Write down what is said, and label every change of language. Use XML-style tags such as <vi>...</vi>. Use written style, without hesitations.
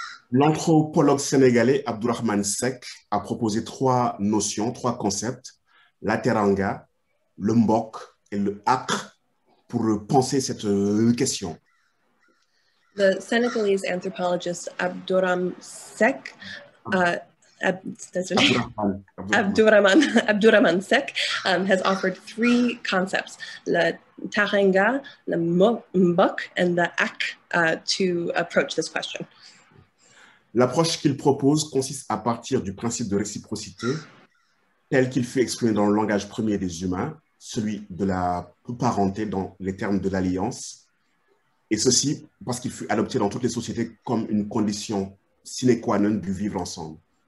<fr>L'anthropologue sénégalais Abdourahmane Seck a proposé trois notions, trois concepts, la teranga, le mbok et le acre, pour penser cette question.</fr> <en>The Senegalese anthropologist Abdourahmane Seck has offered three concepts, la teranga, le mbok and the acre, to approach this question.</en> <fr>L'approche qu'il propose consiste à partir du principe de réciprocité, tel qu'il fut exprimé dans le langage premier des humains, celui de la parenté dans les termes de l'alliance, et ceci parce qu'il fut adopté dans toutes les sociétés comme une condition sine qua non du vivre ensemble.</fr>